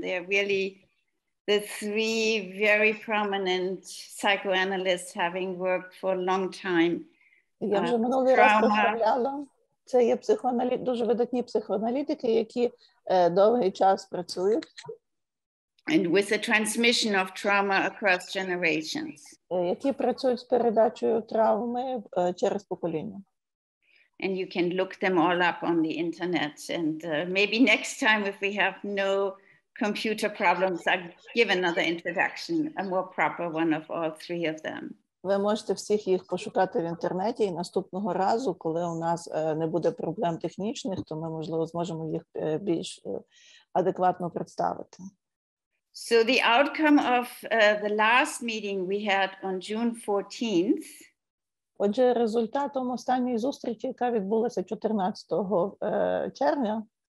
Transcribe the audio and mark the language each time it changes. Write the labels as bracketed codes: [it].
[en] They're really the three very prominent psychoanalysts having worked for a long time. [uk] Я вже минулий раз представляла. Це є психоаналіти, дуже видатні психоаналітики, які довгий час працюють. [en] And with the transmission of trauma across generations. [uk] Які працюють з передачею травми через покоління. [en] And you can look them all up on the internet. And maybe next time, if we have no computer problems, I'll give another introduction, a more proper one of all three of them. [uk] Ви можете всіх їх пошукати в інтернеті, і наступного разу, коли у нас не буде проблем технічних, то ми, можливо, зможемо їх більш адекватно представити. [en] So the outcome of the last meeting we had on June 14th, [uk] отже, результатом останньої зустрічі, яка відбулася 14 червня,